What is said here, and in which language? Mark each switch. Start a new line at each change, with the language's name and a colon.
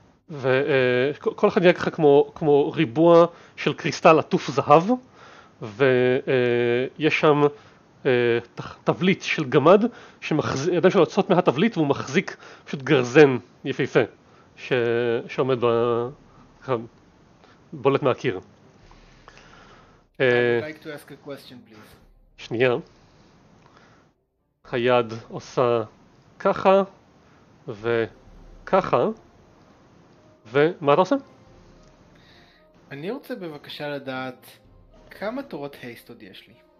Hebrew: וכל אחד נראה ככה כמו ריבוע של קריסטל עטוף זהב, ויש שם תבליט של גמד שידיים שלו יוצאות מהתבליט והוא מחזיק פשוט גרזן יפהפה שעומד בולט מהקיר.
English: I would like to ask a question, please.
Hebrew: שנייה, היד עושה ככה וככה, ומה אתה עושה? אני רוצה בבקשה לדעת כמה תורות haste עוד יש לי.